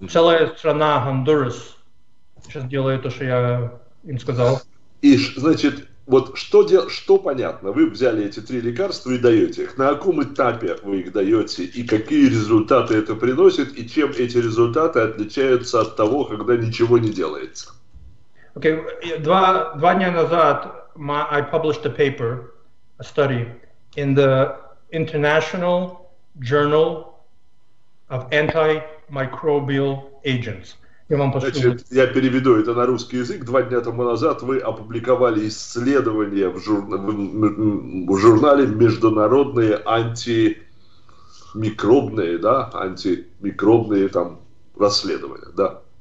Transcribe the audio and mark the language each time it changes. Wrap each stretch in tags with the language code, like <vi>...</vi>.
<ru>Целая страна, Гондурас, сейчас делает то, что я им сказал. И, значит, вот что понятно? Вы взяли эти три лекарства и даете их. На каком этапе вы их даете? И какие результаты это приносит? И чем эти результаты отличаются от того, когда ничего не делается? Окей. Два дня назад</ru> <en>I published a paper, a study, in the International Journal of Antimicrobial Agents.</en> <ru>Я вам пошлю. Значит, я переведу это на русский язык. Два дня тому назад вы опубликовали исследование в журнале «Международные антимикробные», да, антимикробные там расследования, да.</ru>